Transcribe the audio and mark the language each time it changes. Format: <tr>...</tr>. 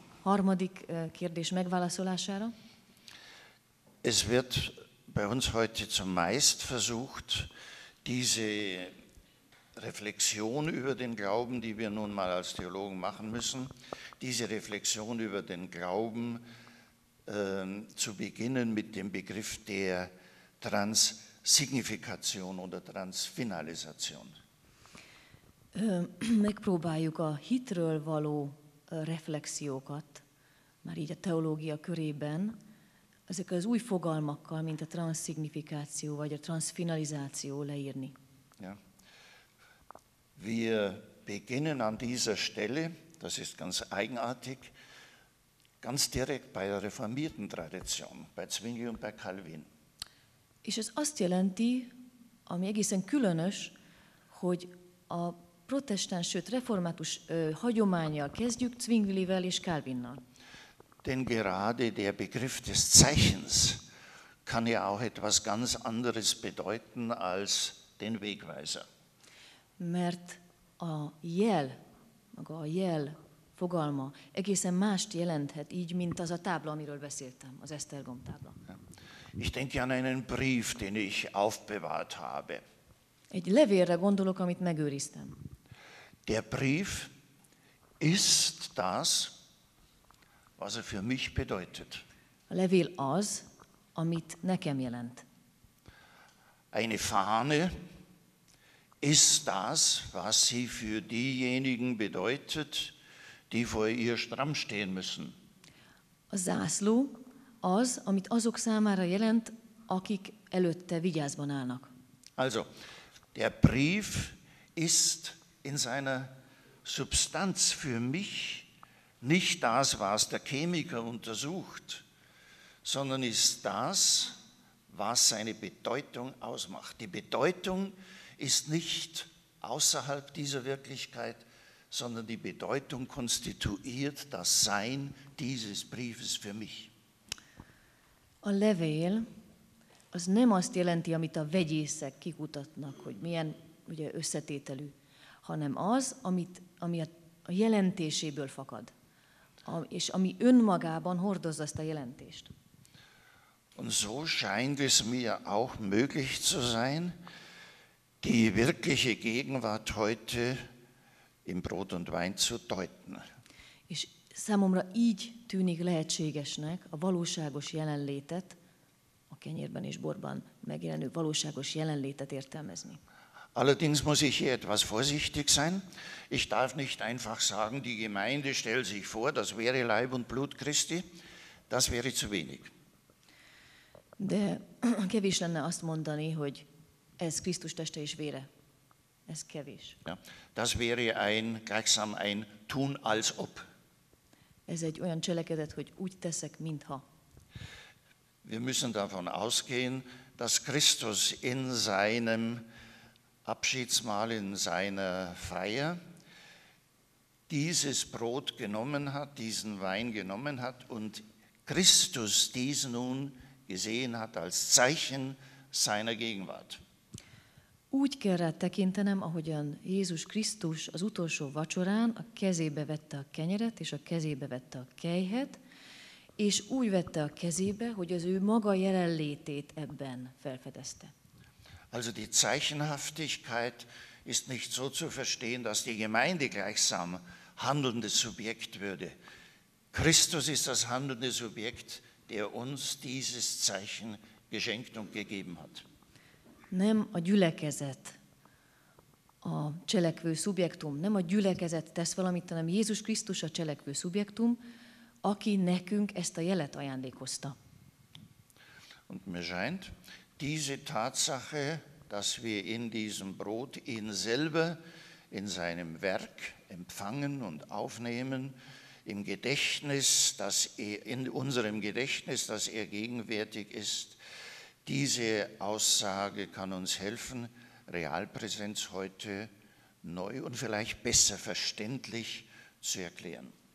<hu>Harmadik kérdés megválaszolására.</hu> <de>Es wird bei uns heute zumeist versucht, diese Reflexion über den Glauben, die wir nun mal als Theologen machen müssen, diese Reflexion über den Glauben zu beginnen mit dem Begriff der Transsignifikation oder Transfinalisation.</de> <hu>Megpróbáljuk a hitről való reflexiókat, már így a teológia körében, ezek az új fogalmakkal, mint a transzignifikáció vagy a transfinalizáció leírni.</hu> <de>Ja. Wir beginnen an dieser Stelle, das ist ganz eigenartig, ganz direkt bei der reformierten Tradition, bei Zwingli und bei Calvin.</de> <hu>És ez azt jelenti, ami egészen különös, hogy a protestáns, sőt református hagyománnyal kezdjük Zwinglivel és Calvinnal.</hu> <de>Denn gerade der Begriff des Zeichens kann ja auch etwas ganz anderes bedeuten als den Wegweiser.</de> <hu>Mert a jel, maga a jel fogalma egészen mást jelenthet, így, mint az a tábla, amiről beszéltem, az Esztergom tábla.</hu> <de>Ich denke an einen Brief, den ich aufbewahrt habe.</de> <hu>Egy levélre gondolok, amit megőriztem.</hu> <de>Der Brief ist das, was er für mich bedeutet.</de> <hu>A levél az, amit nekem jelent.</hu> <de>Eine Fahne ist das, was sie für diejenigen bedeutet, die vor ihr stramm stehen müssen.</de> <hu>A zászló az, amit azok számára jelent, akik előtte vigyázban állnak.</hu> <de>Also, der Brief ist in seiner Substanz für mich nicht das, was der Chemiker untersucht, sondern ist das, was seine Bedeutung ausmacht. Die Bedeutung ist nicht außerhalb dieser Wirklichkeit, sondern die Bedeutung konstituiert das Sein dieses Briefes für mich.</de> <hu>A levél az nem azt jelenti, amit a vegyészek kikutatnak, hogy milyen ugye összetételű, hanem az, ami a jelentéséből fakad, és ami önmagában hordozza ezt a jelentést.</hu> <de>Und so scheint es mir auch möglich zu sein, die wirkliche Gegenwart heute im Brot und Wein zu deuten.</de> <hu>És számomra így tűnik lehetségesnek a valóságos jelenlétet, a kenyérben és borban megjelenő valóságos jelenlétet értelmezni.</hu> <de>Allerdings muss ich hier etwas vorsichtig sein. Ich darf nicht einfach sagen, die Gemeinde stellt sich vor, das wäre Leib und Blut Christi. Das wäre zu wenig.</de> <hu>De kevés lenne azt mondani, hogy ez Krisztus teste és vére. Ez kevés.</hu> <de>Ja, das wäre ein, gleichsam ein tun als ob.</de> <hu>Ez egy olyan cselekedet, hogy úgy teszek, mintha.</hu> <de>Wir müssen davon ausgehen, dass Christus in seinem Abschiedsmahl, in seiner Feier, dieses Brot genommen hat, diesen Wein genommen hat und Christus dies nun gesehen hat als Zeichen seiner Gegenwart.</de> <hu>Úgy kell rá tekintenem, ahogyan Jézus Krisztus az utolsó vacsorán a kezébe vette a kenyeret és a kezébe vette a kelyhet, és úgy vette a kezébe, hogy az ő maga jelenlétét ebben felfedezte.</hu> <de>Also die Zeichenhaftigkeit ist nicht so zu verstehen, dass die Gemeinde gleichsam handelndes Subjekt würde. Christus ist das handelnde Subjekt, der uns dieses Zeichen geschenkt und gegeben hat.</de> <hu>Nem a gyülekezet a cselekvő szubjektum, nem a gyülekezet tesz valamit, hanem Jézus Krisztus a cselekvő szubjektum, aki nekünk ezt a jelet ajándékozta.</hu> <de>Und mir scheint, diese Tatsache, dass wir in diesem Brot ihn selber in seinem Werk empfangen und aufnehmen, im Gedächtnis, dass er in unserem Gedächtnis, dass er gegenwärtig ist, diese Aussage kann uns helfen, Realpräsenz heute neu und vielleicht besser verständlich zu erklären.</de>